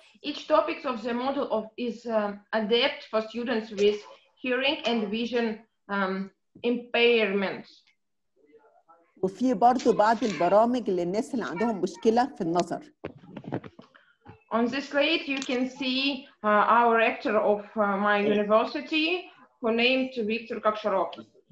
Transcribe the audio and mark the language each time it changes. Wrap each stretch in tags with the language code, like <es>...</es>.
<en>Each topic of the model is adapted for students with hearing and vision impairments.</en> <ar>وفي برضو بعض البرامج للناس اللي عندهم مشكلة في النظر.</ar> <en>On this slide, you can see our rector of my university, who named Victor Kakshorov.</en>